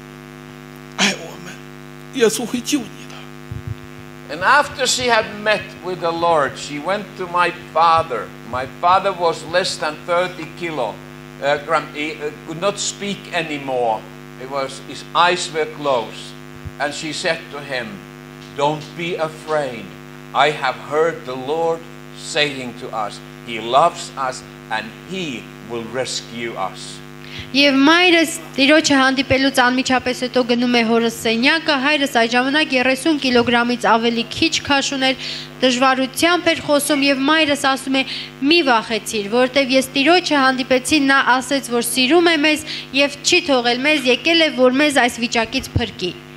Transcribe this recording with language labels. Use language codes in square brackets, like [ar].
[zh] Նայկա իեվան。我的妈妈走到我父亲的身边拍拍他。我的父亲睁不开眼不会说话。他说：“你不要怕，我听到神在喊我，耶稣爱我们，耶稣会救你。” [en] And after she had met with the Lord, she went to my father. My father was less than 30 kilograms. He could not speak anymore. His eyes were closed. And she said to him, Don't be afraid. I have heard the Lord saying to us, He loves us and He will rescue us. [hy] Եվ մայրս տիրոջը հանդիպելուց անմիջապես հետո գնում է հորս սենյակը, հայրս այդ ժամանակ 30 կիլոգրամից ավելի քիչ քաշ ուներ, դժվարությամբ էր խոսում եւ մայրս ասում է՝ «Մի վախեցիր, որտեւ ես տիրոջը հանդիպեցի, նա ասեց, որ սիրում է մեզ եւ չի թողել մեզ, եկել է, որ մեզ այս վիճակից փրկի»։